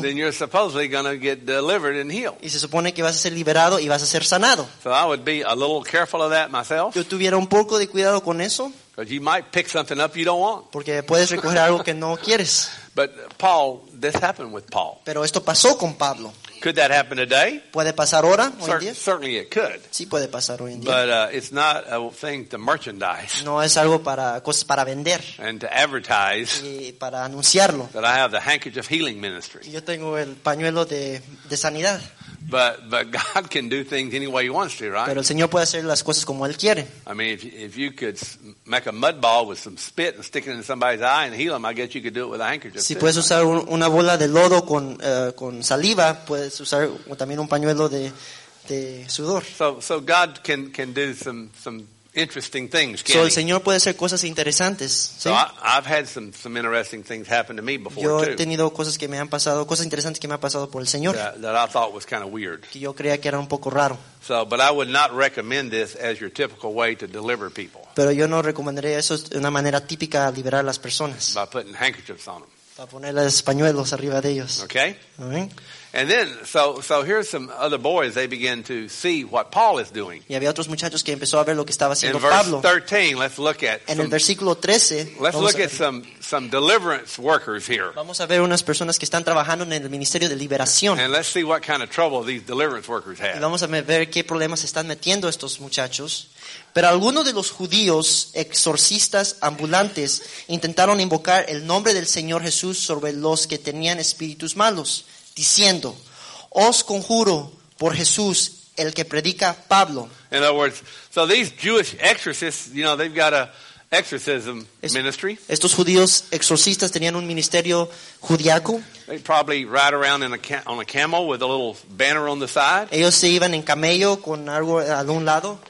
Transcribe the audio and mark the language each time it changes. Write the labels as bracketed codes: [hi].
[en] then you're supposedly going to get delivered and healed. [es] Y se supone que vas a ser liberado y vas a ser sanado. [en] So I would be a little careful of that myself. [es] Yo tuviera un poco de cuidado con eso. [en] Because you might pick something up you don't want. [es] Porque puedes recoger algo que no quieres. [en] But Paul, this happened with Paul. [es] Pero esto pasó con Pablo. [en] Could that happen today? [es] ¿Puede pasar ahora, hoy en día? [en] Certainly it could. [es] Sí puede pasar hoy en día. [en] But it's not a thing to merchandise. [es] No es algo para cosas para vender. [en] And to advertise. [es] Y para anunciarlo. [en] That I have the handkerchief healing ministry. [es] Yo tengo el pañuelo de sanidad. [en] But God can do things any way He wants to, right? [es] Pero el Señor puede hacer las cosas como Él quiere. [en] I mean, if you could make a mud ball with some spit and stick it in somebody's eye and heal them, I guess you could do it with a handkerchief. [es] Si puedes usar una bola de lodo con saliva, puedes usar también un pañuelo de sudor. [en] So God can do some interesting things, can't [es] he? So el Señor puede hacer cosas interesantes, ¿sí? [en] So I've had some interesting things happen to me before, too. [es] Yo he tenido cosas que me han pasado, cosas interesantes que me han pasado por el Señor. [en] That I thought was kind of weird. [es] Que yo creía que era un poco raro. [en] So, but I would not recommend this as your typical way to deliver people. [es] Pero yo no recomendaría eso de una manera típica a liberar las personas. [en] By putting handkerchiefs on them. [es] Para ponerles pañuelos arriba de ellos. [en] Okay. All right. And then, so here's some other boys, they begin to see what Paul is doing. [es] Y había otros muchachos que empezó a ver lo que estaba haciendo [en] Pablo. In verse 13, let's look at [es] en el versículo 13, [en] let's look at some deliverance workers here. [es] Vamos a ver unas personas que están trabajando en el ministerio de liberación. [en] And let's see what kind of trouble these deliverance workers have. [es] Y vamos a ver qué problemas están metiendo estos muchachos. Pero algunos de los judíos exorcistas ambulantes intentaron invocar el nombre del Señor Jesús sobre los que tenían espíritus malos, diciendo, os conjuro por Jesús, el que predica Pablo. [en] In other words, so these Jewish exorcists, you know, they've got a exorcism ministry. [es] Estos judíos exorcistas tenían un ministerio judiaco. [en] They probably ride around in a on a camel with a little banner on the side. [es] Ellos se iban en camello con algo a un lado.